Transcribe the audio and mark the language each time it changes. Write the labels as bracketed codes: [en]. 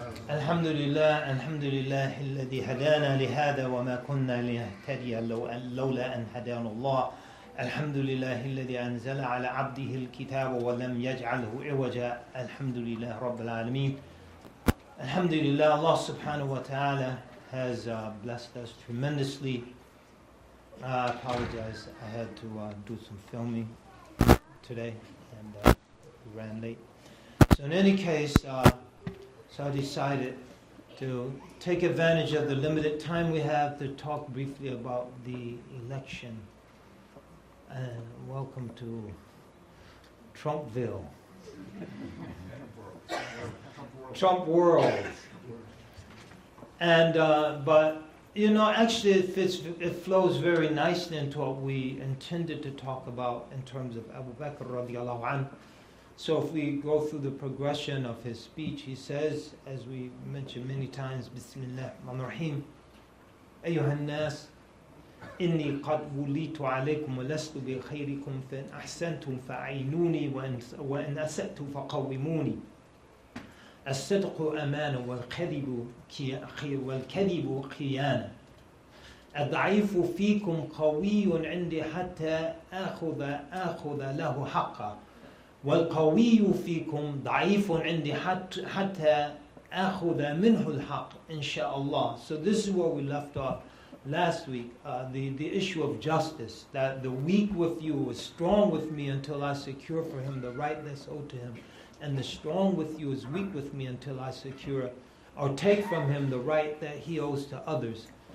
[ar] الحمد لله الحمد لله الذي هدانا لهذا وما كنا لنهتدي لولا أن هدانا الله الحمد لله الذي أنزل على عبده الكتاب ولم يجعله عوجا الحمد لله رب العالمين الحمد لله الله سبحانه وتعالى [en] has blessed us tremendously. I apologize. I had to do some filming today and ran late. So in any case, so I decided to take advantage of the limited time we have to talk briefly about the election. And welcome to Trumpville. Trump world. And but you know, actually, it flows very nicely into what we intended to talk about in terms of Abu Bakr radiallahu anhu. So if we go through the progression of his speech, he says, as we mentioned many times, [ar] Bismillah ar-Rahman ar-Rahim, Ayyuhan nas, inni qad wulitu alaykum wa lastu bi khayrikum fa ahsantum fa aynuni wa in asattu fa qawimuni. الصدق أمانة والكذب والكذب خيانة الضعيف فيكم قوي عندي حتى آخذ له حقا والقوي فيكم ضعيف عندي حتى آخذ منه الحق إن شاء الله. [en] So this is where we left off last week, the issue of justice, that the weak with you is strong with me until I secure for him the right that's owed to him. And the strong with you is weak with me until I secure or take from him the right that he owes to others.